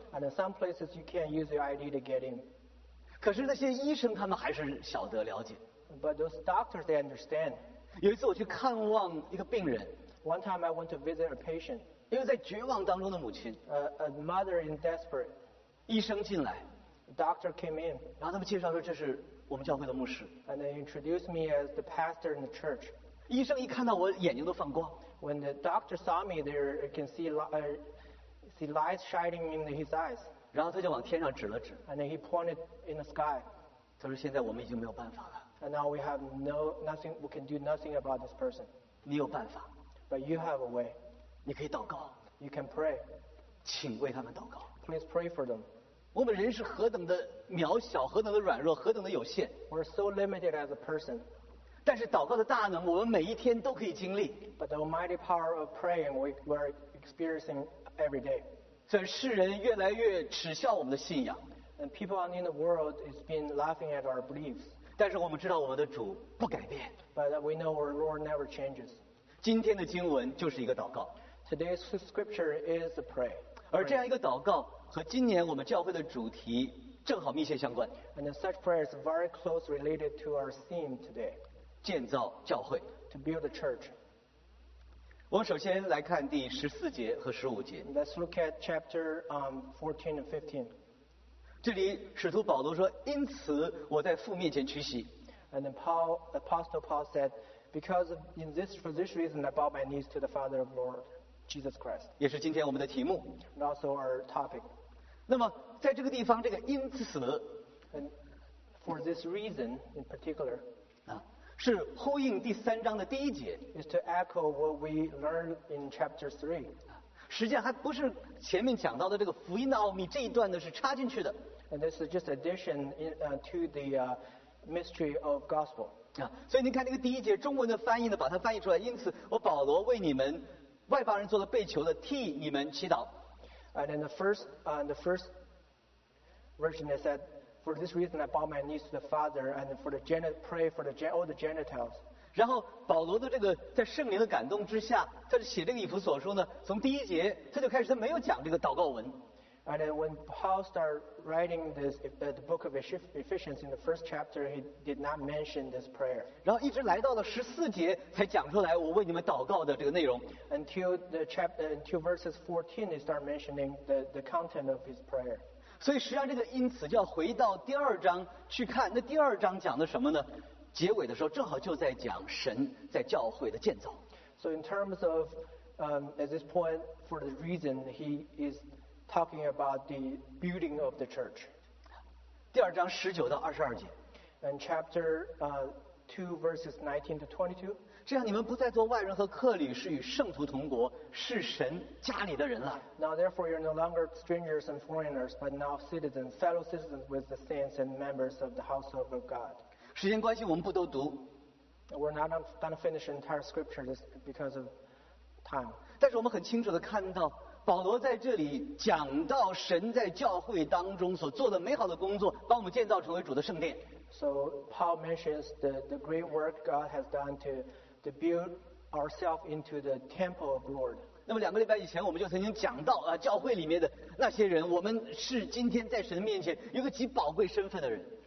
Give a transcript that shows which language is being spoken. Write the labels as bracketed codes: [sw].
[en] And in some places you can't use your ID to get in. [zh] 可是那些医生他们还是晓得了解。 [en] But those doctors they understand. [zh] 有一次我去看望一个病人。 [en] One time I went to visit a patient. [zh] 因为在绝望当中的母亲。 [en] A mother in desperate. [zh] 医生进来。 [en] Doctor came in. [zh] 然后他们介绍说这是我们教会的牧师。 [en] And they introduced me as the pastor in the church. [zh] 医生一看到我眼睛都放光。 [en] When the doctor saw me, they can see light shining in his eyes. [zh] 然后他就往天上指了指。 [en] And then he pointed in the sky. [zh] 他说：“现在我们已经没有办法了。 [en] And now we have nothing. We can do nothing about this person. [zh] 你有办法。 [en] But you have a way. [zh] 你可以祷告。 [en] You can pray. [zh] 请为他们祷告。 [en] Please pray for them. [zh] 我们人是何等的渺小，何等的软弱，何等的有限。 [en] We're so limited as a person. [zh] 但是祷告的大能，我们每一天都可以经历。 [en] But the almighty power of praying, we're experiencing every day. [zh] 所以世人越来越耻笑我们的信仰。 [en] And people in the world has been laughing at our beliefs. [zh] 但是我们知道我们的主不改变。 [en] But we know our Lord never changes. [zh] 今天的经文就是一个祷告。 [en] Today's scripture is a prayer. [zh] 而这样一个祷告和今年我们教会的主题正好密切相关。 [en] And such prayer is very close related to our theme today. [zh] 建造教会。 [en] To build a church. [zh] 我们首先来看第十四节和十五节。 [en] Let's look at chapter 14 and 15. [zh] 这里使徒保罗说：“因此我在父面前屈膝。” [en] And then Apostle Paul said, "Because for this reason, I bow my knees to the Father of Lord Jesus Christ." [zh] 也是今天我们的题目。 [en] And also our topic. [zh] 那么在这个地方，这个因此 [en] ，and for this reason in particular. [zh] 是呼应第三章的第一节。 [en] Is to echo what we learn in chapter three. [zh] 实际上还不是前面讲到的这个福音的奥秘这一段呢是插进去的。 [en] And this is just addition to the mystery of gospel. [zh] 所以您看那个第一节中文的翻译呢，把它翻译出来。因此，我保罗为你们外邦人做了被囚的，替你们祈祷。 [en] And in the first version, it said. For this reason, I bow my knees to the Father, and pray for all the Gentiles. [zh] 然后保罗的这个在圣灵的感动之下，他就写这个以弗所书呢。从第一节他就开始，他没有讲这个祷告文。 [en] And then when Paul started writing this the book of Ephesians in the first chapter, he did not mention this prayer. [zh] 然后一直来到了十四节才讲出来我为你们祷告的这个内容。 [en] Until verses 14, he started mentioning the content of his prayer. [zh] 所以实际上这个因此就要回到第二章去看，那第二章讲的什么呢？结尾的时候正好就在讲神在教会的建造。 [en] So in terms of, at this point, for the reason he is talking about the building of the church. [zh] 第二章十九到二十二节。 [en] And chapter two verses 19 to 22. [zh] 这样你们不再做外人和客旅，是与圣徒同国，是神家里的人了。 [en] Now therefore you're no longer strangers and foreigners, but now citizens, fellow citizens with the saints and members of the household of God. [zh] 时间关系，我们不都读。 [en] We're not going to finish the entire scripture just because of time. [zh] 但是我们很清楚地看到，保罗在这里讲到神在教会当中所做的美好的工作，把我们建造成为主的圣殿。 [en] So Paul mentions the great work God has done to build ourselves into the temple of the Lord. [zh] 那么两个礼拜以前，我们就曾经讲到啊，教会里面的那些人，我们是今天在神面前有个极宝贵身份的人。